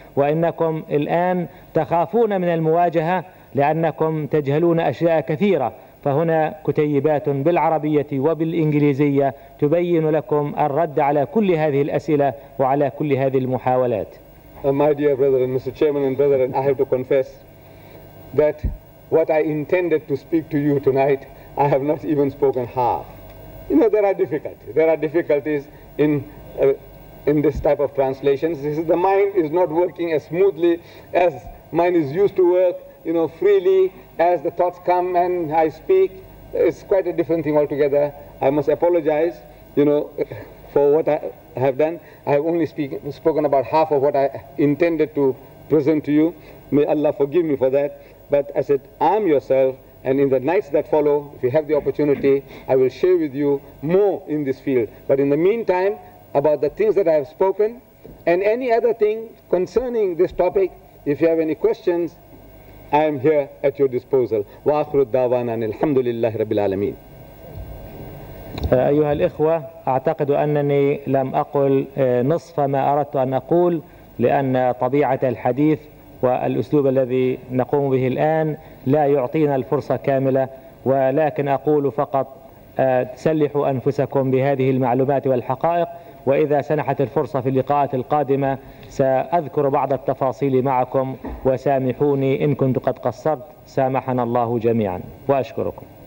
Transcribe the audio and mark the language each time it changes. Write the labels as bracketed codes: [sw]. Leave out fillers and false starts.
[ar] وإنكم الآن تخافون من المواجهة لأنكم تجهلون أشياء كثيرة، فهنا كتيبات بالعربية وبالإنجليزية تبين لكم الرد على كل هذه الأسئلة وعلى كل هذه المحاولات. [en] My dear brethren, Mr. Chairman and brethren, I have to confess that what I intended to speak to you tonight, I have not even spoken half. You know, there are difficulties. There are difficulties in this type of translations. This is, the mind is not working as smoothly as mine is used to work, you know, freely as the thoughts come and I speak. It's quite a different thing altogether. I must apologize, you know, for what I have done. I have only spoken about half of what I intended to present to you. May Allah forgive me for that. But I said, arm yourself, and in the nights that follow, if you have the opportunity, I will share with you more in this field. But in the meantime, about the things that I have spoken, and any other thing concerning this topic, if you have any questions, I am here at your disposal. [ar] وَآخْرُ الدَّعْوَانَ أَنِ الْحَمْدُ لِلَّهِ رَبِّ الْعَالَمِينَ. أيها الإخوة، أعتقد أنني لم أقل نصف ما أردت أن أقول، لأن طبيعة الحديث والأسلوب الذي نقوم به الآن لا يعطينا الفرصة كاملة، ولكن أقول فقط تسلحوا أنفسكم بهذه المعلومات والحقائق، وإذا سنحت الفرصة في اللقاءات القادمة سأذكر بعض التفاصيل معكم، وسامحوني إن كنت قد قصرت، سامحنا الله جميعا وأشكركم.